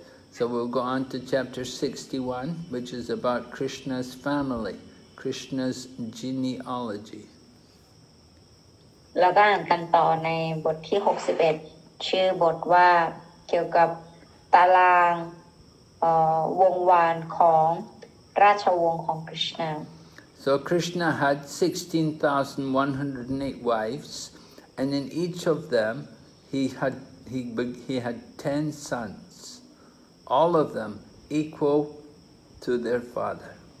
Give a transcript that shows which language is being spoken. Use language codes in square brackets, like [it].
[en] So we'll go on to chapter 61, which is about Krishna's family, Krishna's genealogy. [th] แล้วก็อ่านกันต่อในบทที่61ชื่อบทว่าเกี่ยวกับตารางวงวานของราชวงศ์ของ Krishna. [en] So Krishna had 16,108 wives, and in each of them he had 10 sons, all of them equal to their father.